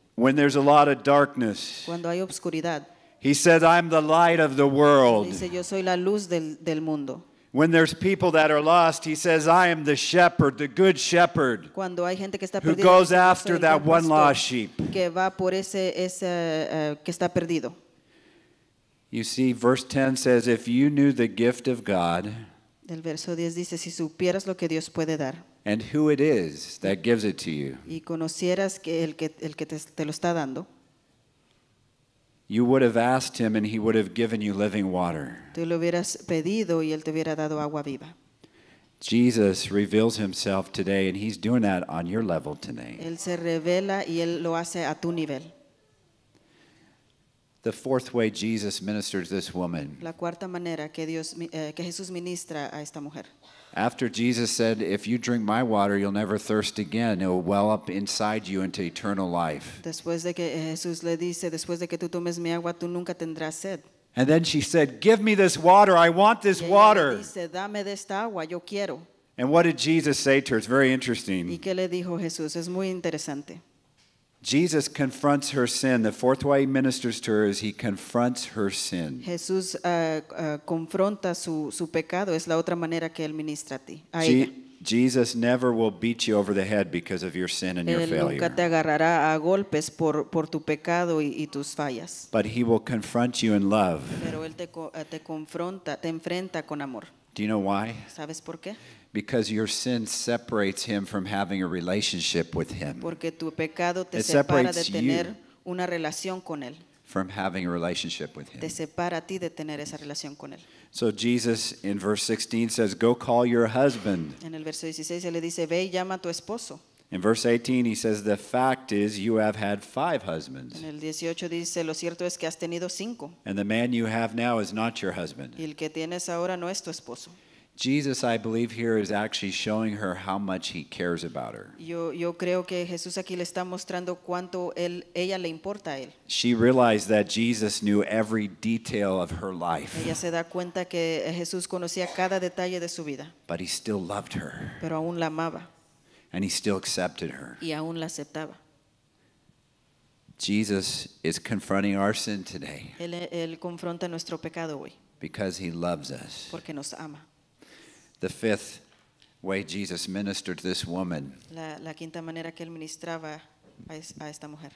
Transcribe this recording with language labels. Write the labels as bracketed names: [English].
[English] When there's a lot of darkness, [Spanish] cuando hay obscuridad, [English] he says, "I'm the light of the world." [Spanish] Dice, "Yo soy la luz del mundo." [English] When there's people that are lost, he says, "I am the shepherd, the good shepherd." [Spanish] Cuando hay gente que está [English] perdida, who goes after that one lost sheep, [Spanish] que va por ese que está perdido. [English] You see, verse 10 says, if you knew the gift of God, [Spanish] el verso 10 dice, si supieras lo que Dios puede dar, [English] and who it is that gives it to you, [Spanish] y conocieras que el que te lo está dando, [English] you would have asked him and he would have given you living water. [Spanish] Tú lo hubieras pedido y él te hubiera dado agua viva. [English] Jesus reveals himself today and he's doing that on your level today. [Spanish] Él se revela y él lo hace a tu nivel. [English] The fourth way Jesus ministers this woman. [Spanish] La cuarta manera que Dios que Jesús ministra a esta mujer. [English] After Jesus said, "If you drink my water, you'll never thirst again. It will well up inside you into eternal life." [Spanish] Después de que Jesús le dice, después de que tú tomes mi agua, tú nunca tendrás sed. [English] And then she said, "Give me this water. I want this water." [Spanish] Y ella le dice, dame de esta agua, yo quiero. [English] And what did Jesus say to her? It's very interesting. [Spanish] ¿Y qué le dijo Jesús? Es muy interesante. [English] Jesus confronts her sin. The fourth way he ministers to her is he confronts her sin. [Spanish] Jesús confronta su pecado. Es la otra manera que él ministra a ti. A ella. [English] Jesus never will beat you over the head because of your sin and [Spanish] él [English] your failure. [Spanish] Él nunca te agarrará a golpes por tu pecado y tus fallas. [English] But he will confront you in love. [Spanish] Pero él te confronta, te enfrenta con amor. [English] Do you know why? [Spanish] ¿Sabes por qué? [English] Because your sin separates him from having a relationship with him. [Spanish] Porque tu pecado te separa de tener una relación con él. [English] From having a relationship with him. [Spanish] Te separa a ti de tener esa relación con él. [English] So Jesus in verse 16 says, "Go call your husband." [Spanish] En el verso 16 le dice, "Ve y llama a tu esposo." [English] In verse 18 he says, "The fact is you have had five husbands." [Spanish] En el 18 dice, "Lo cierto es que has tenido cinco." [English] And the man you have now is not your husband. [Spanish] Y el que tienes ahora no es tu esposo. [English] Jesus, I believe, here is actually showing her how much he cares about her. [Spanish] Yo creo que Jesús aquí le está mostrando cuánto él, ella le importa a él. [English] She realized that Jesus knew every detail of her life. [Spanish] Ella se da cuenta que Jesús conocía cada detalle de su vida. [English] But he still loved her. [Spanish] Pero aún la amaba. [English] And he still accepted her. [Spanish] Y aún la aceptaba. [English] Jesus is confronting our sin today. [Spanish] Él confronta nuestro pecado hoy. [English] Because he loves us. [Spanish] Porque nos ama. [English] The fifth way Jesus ministered to this woman. [Spanish] La quinta manera que él ministraba a esta mujer.